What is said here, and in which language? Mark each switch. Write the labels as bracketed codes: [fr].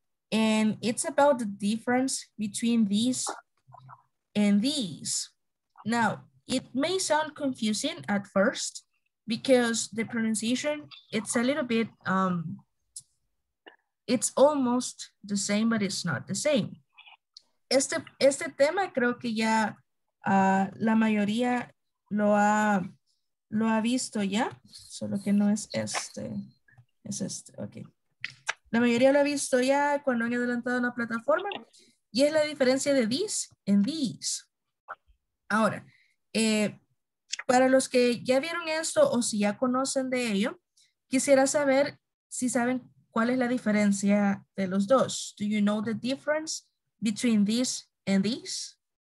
[en] And it's about the difference between these and these. Now, it may sound confusing at first because the pronunciation, it's a little bit, it's almost the same, but it's not the same. [es] Este tema creo que ya la mayoría lo ha visto ya, solo que no es este, es este, ok. La mayoría lo ha visto ya cuando han adelantado una plataforma y es la diferencia de this en these. Ahora, para los que ya vieron esto o si ya conocen de ello, quisiera saber si saben cuál es la diferencia de los dos. [en] Do you know the difference between this and these?